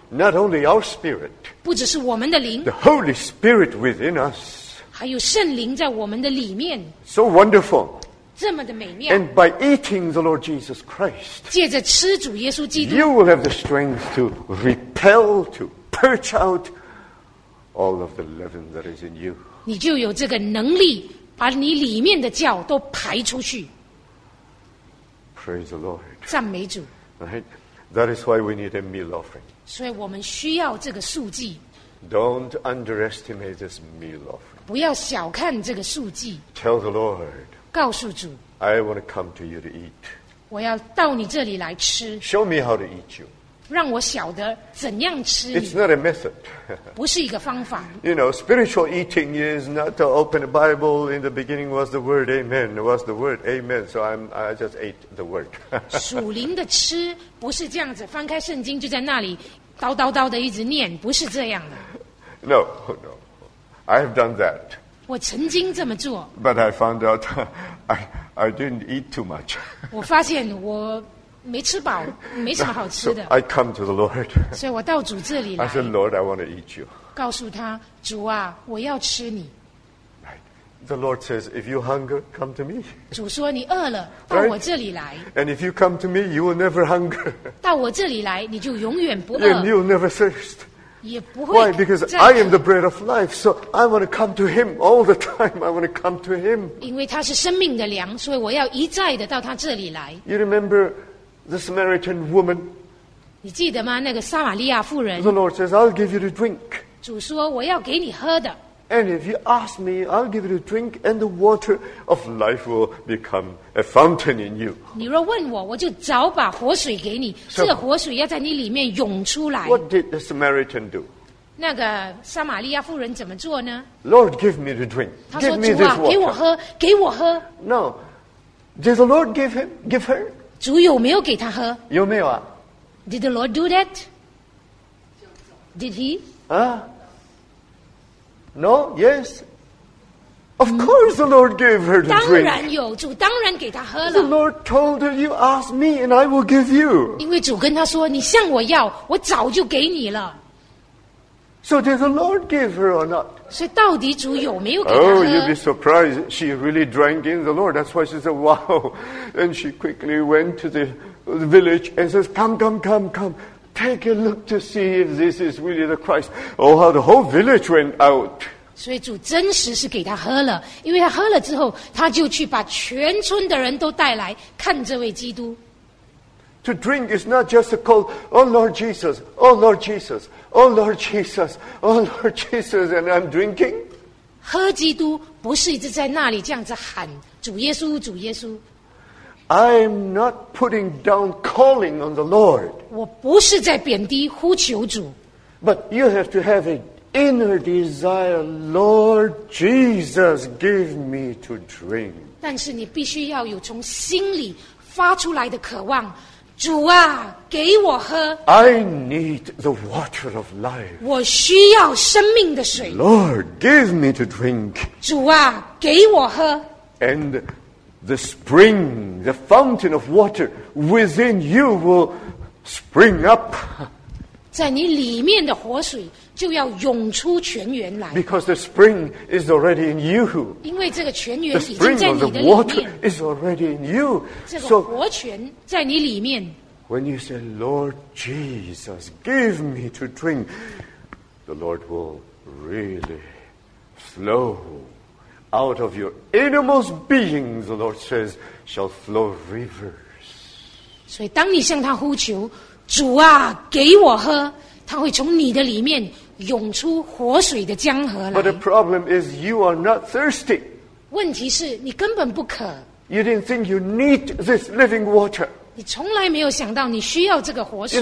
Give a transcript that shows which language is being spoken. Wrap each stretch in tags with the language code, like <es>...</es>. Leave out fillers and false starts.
<en>Not only our spirit.</en> <zh>不只是我们的灵。</zh> <en>The Holy Spirit within us.</en> <zh>还有圣灵在我们的里面。</zh> <en>So wonderful.</en> <zh>这么的美妙。</zh> <en>And by eating the Lord Jesus Christ.</en> <zh>借着吃主耶稣基督。</zh> <en>You will have the strength to repel, to purge out. All of the leaven that is in you.</en> <zh>你就有这个能力把你里面的酵都排出去。</zh> <en>Praise the Lord.</en> <zh>赞美主。</zh> <en>Right? That is why we need a meal offering.</en> <zh>所以我们需要这个素祭。</zh> <en>Don't underestimate this meal offering.</en> <zh>不要小看这个素祭。</zh> <en>Tell the Lord.</en> <zh>告诉主。</zh> <en>I want to come to you to eat.</en> <zh>我要到你这里来吃。</zh> <en>Show me how to eat you.</en> <zh>让我晓得怎样吃。</zh> <en>It's not a method.</en> <zh>不是一个方法。</zh> <en>You know, spiritual eating is not to open a Bible. In the beginning was the word, Amen. Was the word, Amen. So I just ate the word.</en> <zh>属灵的吃不是这样子，翻开圣经就在那里叨叨叨的一直念，不是这样的。</zh> <en>No, no, I have done that.</en> <zh>我曾经这么做。</zh> <en>But I found out I didn't eat too much.</en> <zh>我发现我。没吃饱，没什么好吃的。</zh> <en>So, I come to the Lord.</en> <zh>所以我到主这里来。</zh> <en>I said, Lord, I want to eat you.</en> <zh>告诉他，主啊，我要吃你。</zh> <en>Right. The Lord says, if you hunger, come to me.</en> <zh>主说你饿了，到我这里来。</zh> <en>Right? And if you come to me, you will never hunger.</en> <zh>到我这里来，你就永远不饿。</zh> <en>And you will never thirst.</en> <zh>也不会。</zh> <en>Why? Because I am the bread of life, so I want to come to Him all the time. I want to come to Him.</en> <zh>因为他是生命的粮，所以我要一再的到他这里来。</zh> <en>You remember. The Samaritan woman.</en> <zh>你记得吗？那个撒玛利亚妇人。</zh> <en>The Lord says, "I'll give you to drink."</en> <zh>主说我要给你喝的。</zh> <en>And if you ask me, I'll give you to drink, and the water of life will become a fountain in you.</en> <zh>你若问我，我就早把活水给你。So, 这活水要在你里面涌出来。</zh> <en>What did the Samaritan do?</en> <zh>那个撒玛利亚妇人怎么做呢</zh> <en>？Lord, give me to drink.</en> <zh>他说：“</zh> <en>give me this water.</en> <zh>主啊，给我喝，给我喝。</zh> <en>”No, did the Lord give him, give her?</en> <zh>主有没有给他喝？有没有啊</zh> <en>？Did the Lord do that? Did he? Ah. No. Yes. Of course, the Lord gave her the drink.</en> <zh>当然有，主当然给他喝了。</zh> <en>The Lord told her, "You ask me, and I will give you."</en> <zh>因为主跟他说，你向我要，我早就给你了。</zh> <en>So did the Lord give her or not?</en> <zh>所以到底主有没有给他喝</zh> <en>？Oh, you'd be surprised. She really drank in the Lord. That's why she said, "Wow." And she quickly went to the village and says, "Come, come, come, come. Take a look to see if this is really the Christ." Oh, how the whole village went out.</en> <zh>所以主真实是给他喝了，因为他喝了之后，他就去把全村的人都带来看这位基督。</zh> <en>To drink is not just a call, Oh Lord Jesus, Oh Lord Jesus, Oh Lord Jesus, Oh Lord Jesus, and I'm drinking.</en> <zh>喝基督不是一直在那里这样子喊主耶稣，主耶稣。</zh> <en>I'm not putting down calling on the Lord.</en> <zh>我不是在贬低呼求主。</zh> <en>But you have to have it. Inner desire, Lord Jesus, give me to drink.</en> <zh>但是你必须要有从心里发出来的渴望，主啊，给我喝。</zh> <en>I need the water of life.</en> <zh>我需要生命的水。</zh> <en>Lord, give me to drink.</en> <zh>主啊，给我喝。</zh> <en>And the spring, the fountain of water within you will spring up.</en> <zh>在你里面的活水就要涌出泉源来。</zh> <en>Because the spring is already in you.</en> <zh>因为这个泉源已经在你的里面。</zh> <en>The spring of the water is already in you.</en> <zh>这个活泉在你里面。</zh> <en>When you say, Lord Jesus, give me to drink, the Lord will really flow out of your innermost being, the Lord says, shall flow rivers.</en> <zh>所以当你向他呼求主啊，给我喝，它会从你的里面涌出活水的江河来。</zh> <en>But the problem is you are not thirsty.</en> <zh>问题是你根本不渴。</zh> <en>You didn't think you need this living water.</en> <zh>你从来没有想到你需要这个活水。</zh>